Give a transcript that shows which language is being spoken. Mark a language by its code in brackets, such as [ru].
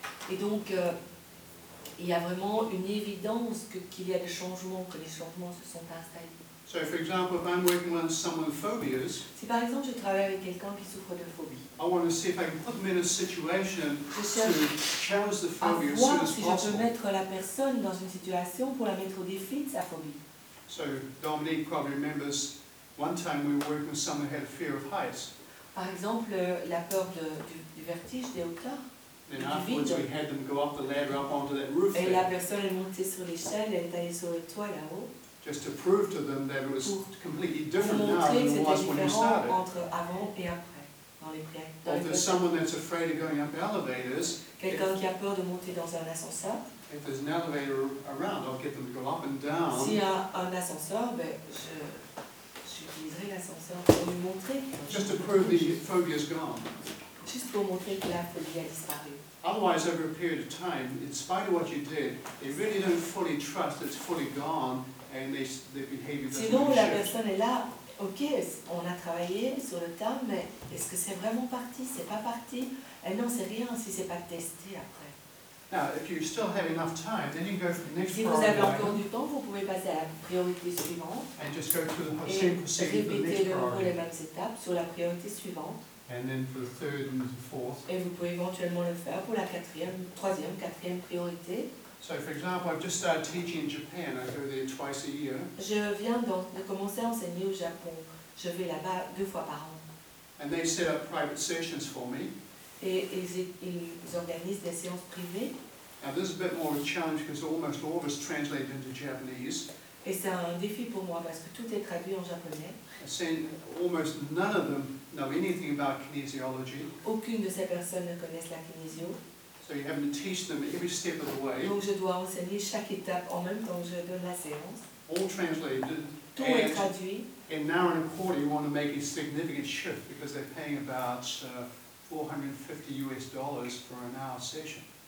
[fr] Et donc, il y a vraiment une évidence qu'il y a des changements, que les changements se sont installés. [en] So for example, if I'm working with someone with phobias, [fr] si par exemple je travaille avec quelqu'un qui souffre de phobie, [en] I want to see if I can put them in a situation to challenge the phobia as soon as possible. [fr] Je peux mettre la personne dans une situation pour la mettre au défi de sa phobie. [en] So Dominique probably remembers one time we were working with someone who had a fear of heights. [fr] Par exemple, la peur du vertige, des hauteurs. [en] Then afterwards we had them go up the ladder up onto that roof. [fr] Et la personne est montée sur l'échelle, elle est allée sur le toit là-haut. [en] Just to prove to them that it was completely different now than it was when you started. [fr] Entre avant et après, dans les pré-tests. [en] Or if there's someone that's afraid of going up elevators. [fr] Quelqu'un qui a peur de monter dans un ascenseur. [en] If there's an elevator around, I'll get them to go up and down. [fr] S'il y a un ascenseur, j'utiliserai l'ascenseur pour lui montrer. [en] Just to prove the phobia's gone. [fr] Juste pour montrer que la phobie a disparu. [en] Otherwise, over a period of time, in spite of what you did, they really don't fully trust it's fully gone, and their behavior doesn't [fr] sinon, [en] really [fr] la [en] shift. [fr] Personne est là, ok, on a travaillé sur le terme, mais est-ce que c'est vraiment parti? C'est pas parti? Et non, c'est rien si c'est pas testé après. [en] Now, if you still have enough time, then you go for the next [fr] si vous avez encore du temps, vous pouvez passer à la priorité suivante [en] and just go through the same procedure for the next priority. [fr] Et répéter de nouveau les mêmes étapes sur la priorité suivante. [en] And then for the third and the fourth. [fr] Et vous pouvez éventuellement le faire pour la troisième, quatrième priorité. [en] So for example, I've just started teaching in Japan. I go there twice a year. [fr] Je viens de commencer à enseigner au Japon. Je vais là-bas deux fois par an. [en] And they set up private sessions for me. [fr] Et ils organisent des séances privées. [en] Now this is a bit more of a challenge because almost all of it's translated into Japanese. [fr] Et c'est un défi pour moi parce que tout est traduit en japonais. [en] Saying almost none of them know anything about kinesiology. [fr] Aucune de ces personnes ne connaissent la kinesio. [en] So you're having to teach them every step of the way. [fr] Donc je dois enseigner chaque étape en même temps que je donne la séance. [en] All translated. [fr] Tout est traduit. [en] In an hour and a quarter, you want to make a significant shift because they're paying about $450 for an hour session.